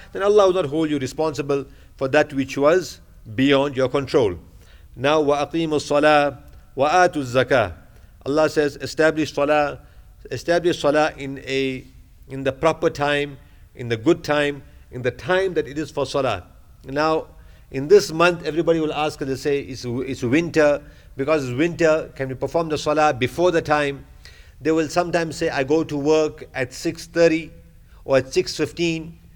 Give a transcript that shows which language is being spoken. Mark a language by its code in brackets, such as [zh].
[en] Then Allah will not hold you responsible for that which was beyond your control. [ar] Now وأقيموا الصلاة وآتوا الزكاة. [en] Allah says, establish salah in the proper time, in the good time, in the time that it is for salah. Now, in this month, everybody will ask, they say, it's winter. Because it's winter, can we perform the salah before the time? They will sometimes say, I go to work at 6:30 or at 6:15.